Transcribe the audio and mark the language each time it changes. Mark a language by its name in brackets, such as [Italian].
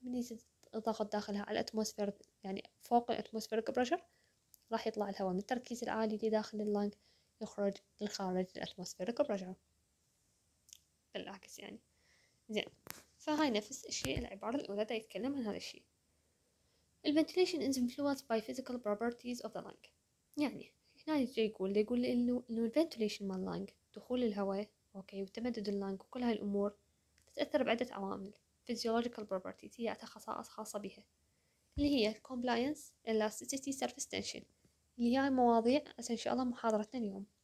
[Arabic] من يزيد الضغط داخلها على الأتموسفير يعني فوق الأتموسفير كبرشر راح يطلع الهواء من التركيز العالي لداخل اللنج يخرج للخارج الاتموسفيريك برجع بالعكس يعني زين. فهاي نفس الشيء العبارة الأولى دا يتكلم عن هذا الشيء. [English] الـ ventilation is influenced by physical properties of the lung. [Arabic] يعني هنا يجي يقول إنه الـ ventilation مال lung دخول الهواء أوكي وتمدد اللنج وكل هاي الأمور تتأثر بعدة عوامل. [English] physiological properties [Arabic] هي خصائص خاصة بها اللي هي compliance, elasticity, surface tension. اللي هي مواضيع أساساً إن شاء الله محاضرتنا اليوم.